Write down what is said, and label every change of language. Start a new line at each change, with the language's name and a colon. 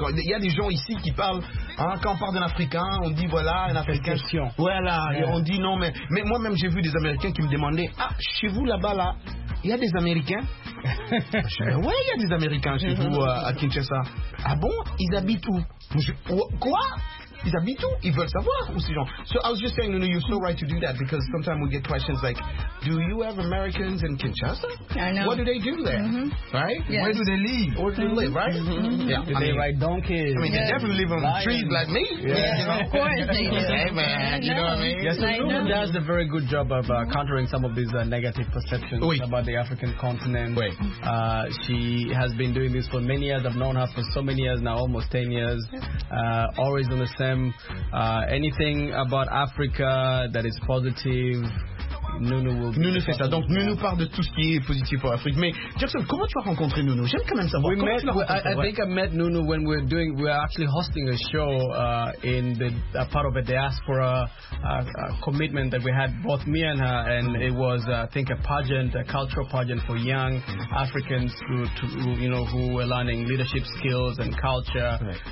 French: Il y a des gens ici qui parlent, quand on parle d'un Africain, on dit voilà, un Africain. Question. Voilà, et on dit non, mais moi-même, j'ai vu des Américains qui me demandaient, chez vous là-bas, là, il y a des Américains? Oui, il y a des Américains chez vous à Kinshasa. Ah bon? Ils habitent où? Quoi? Ils habitent où? Ils veulent savoir où ces gens.
English: So I was just saying, Nounou, you're so right to do that because sometimes we get questions like, do you have Americans in Kinshasa? I know. What do they do there? Mm-hmm. Right? Yes. Where do they live? Where do they live, right? Mm-hmm. Yeah. Do they ride donkeys? I mean, they definitely live on the trees like me. Yeah. Of course they do. Hey, man. You know what I mean? Yes, Nounou does a very good job of countering some of these negative perceptions about the African continent. Wait. She has been doing this for many years. I've known her for so many years now, almost 10 years. Always on the same them. Anything about Africa that is positive, Nounou will be.
French: Nounou, c'est ça. Donc, Nounou parle de tout ce qui est positif pour l'Afrique. Mais, Jackson, comment tu as rencontré Nounou? J'aime quand même savoir.
English: I think I met Nounou when we were doing, we were actually hosting a show in the part of a diaspora commitment that we had, both me and her. And it was, I think, a pageant, a cultural pageant for young Africans who were learning leadership skills and culture. Right.